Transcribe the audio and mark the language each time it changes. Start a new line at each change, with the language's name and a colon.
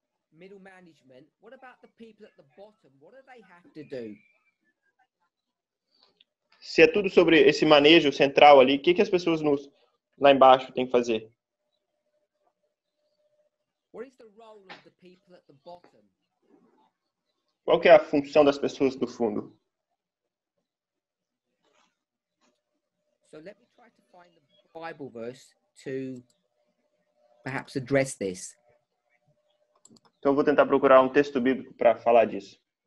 English: Middle management, what about the people at the bottom? What do they have to do?
Portuguese: Se é tudo sobre esse manejo central ali, o que as pessoas lá embaixo têm que fazer?
English: What is the role of the people at the bottom?
Portuguese: Qual que é a função das pessoas do fundo?
English: So let me try to find the Bible verse to perhaps address this.
Portuguese: Então eu vou tentar procurar um texto bíblico para falar disso.